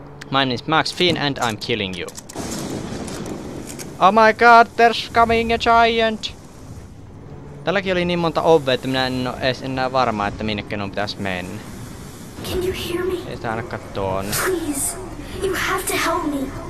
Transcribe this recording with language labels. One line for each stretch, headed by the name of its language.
English: My name is Max Finn and I'm killing you. Oh my god, there's coming a giant!
Finnish: Tälläkin oli niin monta ovea, että minä en ole edes enää varma, että minnekin on pitäis mennä.
English: Can you hear me?
Finnish: Ei ainakaan tuonne.
English: Please, you have to help me.